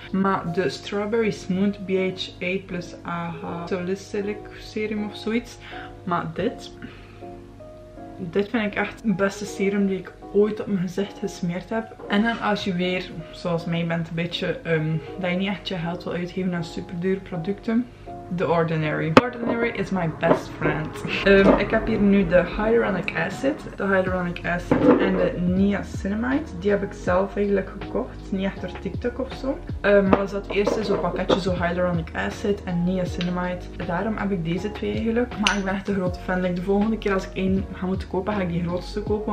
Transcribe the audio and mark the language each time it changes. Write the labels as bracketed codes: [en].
[nl] Maar de Strawberry Smooth BHA plus AHA Salicylic Serum of zoiets. Maar dit vind ik echt het beste serum die ik ooit op mijn gezicht gesmeerd heb. En dan als je weer, zoals mij bent, een beetje dat je niet echt je geld wil uitgeven aan superdure producten. [en] The Ordinary. Ordinary is my best friend. [nl] Ik heb hier nu de Hyaluronic Acid. De Hyaluronic Acid en de Niacinamide. Die heb ik zelf eigenlijk gekocht. Niet echt door TikTok of zo. Maar er zat eerst zo'n pakketje, zo Hyaluronic Acid en Niacinamide. Daarom heb ik deze twee eigenlijk. Maar ik ben echt een grote fan. Like, de volgende keer als ik één ga moeten kopen, ga ik die grootste kopen.